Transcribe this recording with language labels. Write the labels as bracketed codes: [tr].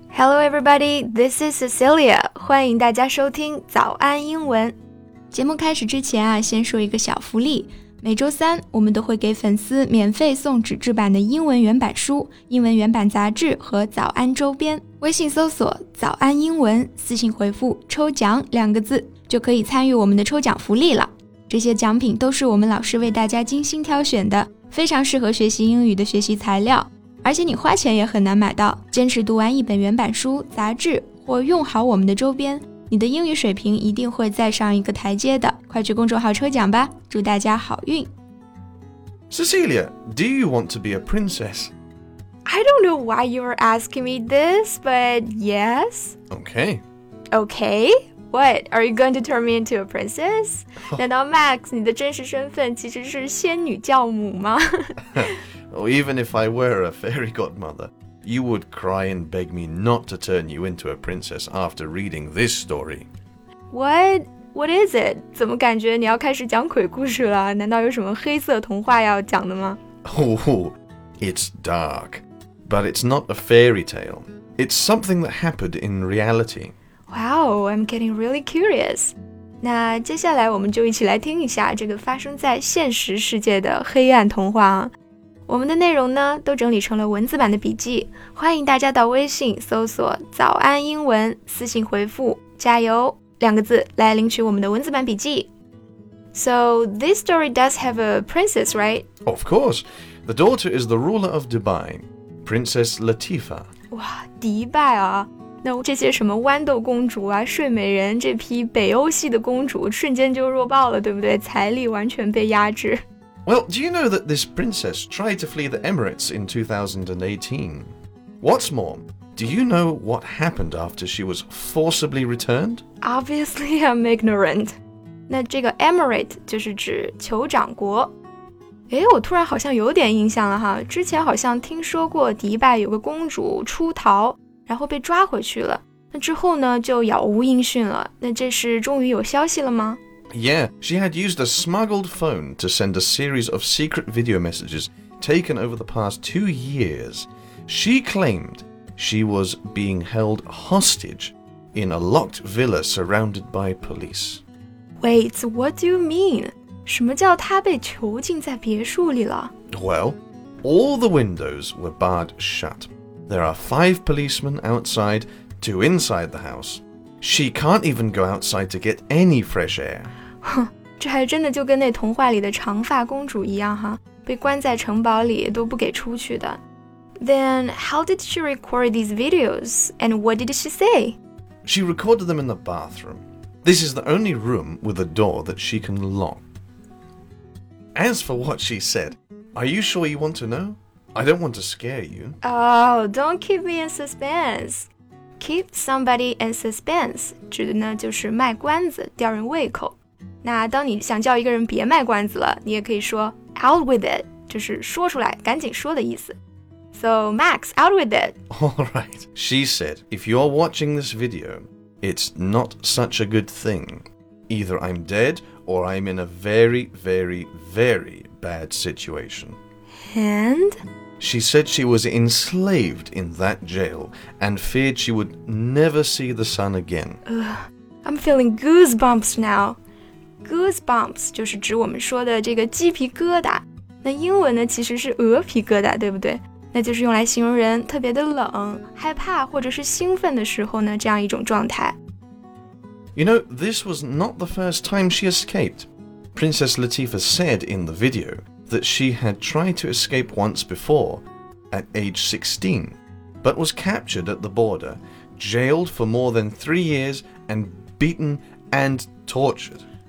[en] Hello everybody, this is Cecilia. [zh] 欢迎大家收听早安英文。节目开始之前啊，先说一个小福利。每周三，我们都会给粉丝免费送纸质版的英文原版书、英文原版杂志和早安周边。微信搜索早安英文，私信回复抽奖两个字，就可以参与我们的抽奖福利了。这些奖品都是我们老师为大家精心挑选的，非常适合学习英语的学习材料，而且你花钱也很难买到。坚持读完一本原版书、杂志或用好我们的周边，你的英语水平一定会再上一个台阶的。快去公众号抽奖吧，祝大家好运。 [en] Cecilia, do you want to be a princess? I don't know why you are asking me this, but yes. Okay. Okay? What? Are you going to turn me into a princess? [zh] 难道 Max, 你的真实身份其实是仙女教母吗？ [en] Well, even if I were a fairy godmother,You would cry and beg me not to turn you into a princess after reading this story. What? What is it? [zh] 怎么感觉你要开始讲鬼故事了？难道有什么黑色童话要讲的吗？ [en] Oh, it's dark. But it's not a fairy tale. It's something that happened in reality. Wow, I'm getting really curious. [zh] 那接下来我们就一起来听一下这个发生在现实世界的黑暗童话。我们的内容呢都整理成了文字版的笔记，欢迎大家到微信搜索早安英文，私信回复加油两个字来领取我们的文字版笔记。 [en] So this story does have a princess, right? Of course, the daughter is the ruler of Dubai, Princess Latifa. [zh] 哇，迪拜啊，那这些什么豌豆公主啊、睡美人这批北欧系的公主瞬间就弱爆了，对不对？财力完全被压制。 [en] Well, do you know that this princess tried to flee the Emirates in 2018? What's more, do you know what happened after she was forcibly returned? Obviously, I'm ignorant. [zh] 那这个 Emirate 就是指酋长国。诶，我突然好像有点印象了哈，之前好像听说过迪拜有个公主出逃，然后被抓回去了。那之后呢，就杳无音讯了。那这是终于有消息了吗？ [en] Yeah, she had used a smuggled phone to send a series of secret video messages taken over the past 2 years. She claimed she was being held hostage in a locked villa surrounded by police. Wait, what do you mean? [zh] 什么叫她被囚禁在别墅里了? [en] Well, all the windows were barred shut. There are 5 policemen outside, 2 inside the house. She can't even go outside to get any fresh air. [zh] 哼，这还真的就跟那童话里的长发公主一样哈，被关在城堡里都不给出去的。 [en] Then how did she record these videos? And what did she say? She recorded them in the bathroom. This is the only room with a door that she can lock. As for what she said, are you sure you want to know? I don't want to scare you. Oh, don't keep me in suspense. Keep somebody in suspense, [zh] 指的呢就是卖关子，吊人胃口。那当你想叫一个人别卖关子了，你也可以说 [en] out with it, [zh] 就是说出来，赶紧说的意思。 [en] So, Max, out with it. All right. She said, if you're watching this video, it's not such a good thing. Either I'm dead or I'm in a very, very, very bad situation. And... She said she was enslaved in that jail and feared she would never see the sun again. I'm feeling goosebumps now. [zh] Goosebumps 就是指我们说的这个鸡皮疙瘩。那英文呢其实是鹅皮疙瘩，对不对？那就是用来形容人特别的冷、害怕或者是兴奋的时候呢，这样一种状态。 [en] You know, this was not the first time she escaped. Princess Latifah said in the video,that she had tried to escape once before, at age 16, but was captured at the border, jailed for more than 3 years, and beaten and tortured.